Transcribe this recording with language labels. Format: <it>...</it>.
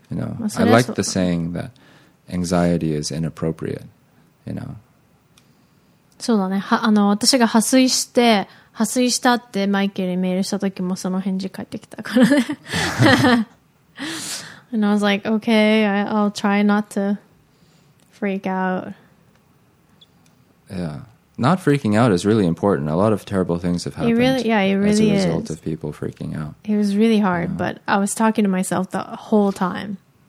<en>You know, I like the saying that anxiety is inappropriate, you know.</en> <ja>そうだね。あの、私が破水して、破水したってマイケルにメールした時もその返事返ってきたからね。</ja> <en>And I was like, okay, I'll try not to freak out. Yeah. Not freaking out is really important. A lot of terrible things have happened as a result of people freaking out. It was really hard, but I was talking to myself the whole time.</en>